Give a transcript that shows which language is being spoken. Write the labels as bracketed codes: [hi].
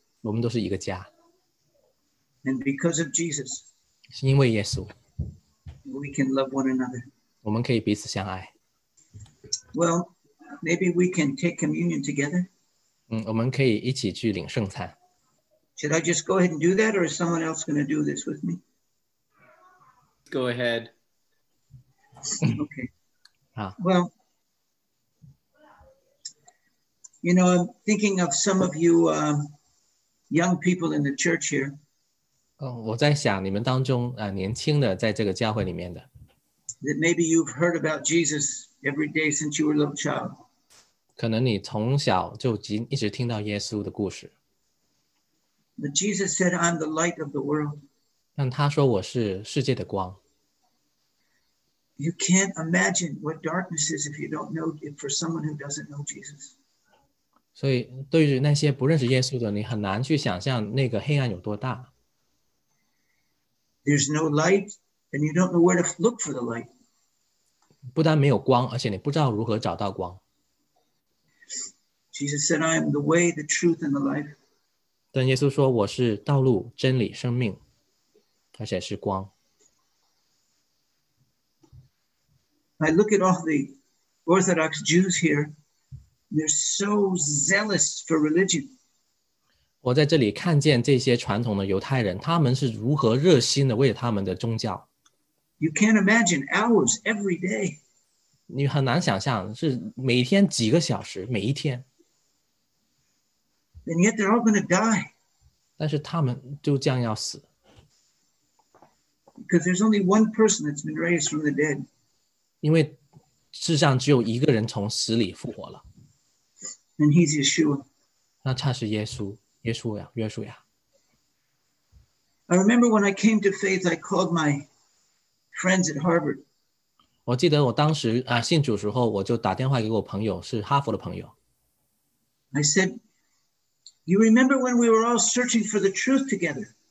[zh] 我们都是一个家。 [en] And because of Jesus. [zh] 是因为耶稣。 [en] We can love one another. [zh] 我们可以彼此相爱。 [en] Well, maybe we can take communion together. [zh] 我们可以一起去领圣餐。 [en] Should I just go ahead and do that, or is someone else going to do this with me? Go ahead. Okay. Well, you know, I'm thinking of some of you young people in the church here. [zh] 我在想你们当中年轻的在这个教会里面的。 [en] That maybe you've heard about Jesus every day since you were a little child. [zh] 可能你从小就一直听到耶稣的故事。 [en] But Jesus said, I'm the light of the world. [zh] 但他说我是世界的光。 [en] You can't imagine what darkness is if you don't know it for someone who doesn't know Jesus. [zh] 所以对于那些不认识耶稣的，你很难去想象那个黑暗有多大。 [en] There's no light, and you don't know where to look for the light. [zh] 不但没有光，而且你不知道如何找到光。 [en] Jesus said, I am the way, the truth, and the life. [zh] 但耶稣说我是道路真理生命而且是光。 [en] I look at all the Orthodox Jews here, they're so zealous for religion. [zh] 我在这里看见这些传统的犹太人，他们是如何热心的为他们的宗教。 [en] You can't imagine hours every day. [zh] 你很难想象，是每天几个小时，每一天。 [en] And yet they're all going to die. [zh] 但是他们就将要死。 [en] Because there's only one person that's been raised from the dead. [zh] 因为世上只有一个人从死里复活了。 [en] And he's Yeshua. [zh] 那他是耶稣，耶稣呀，耶稣呀。 [en] I remember when I came to faith, I called my friends at Harvard. [zh] 我记得我当时啊信主时候，我就打电话给我朋友，是哈佛的朋友。 [en] I said, "You remember when we were all searching for the truth together?"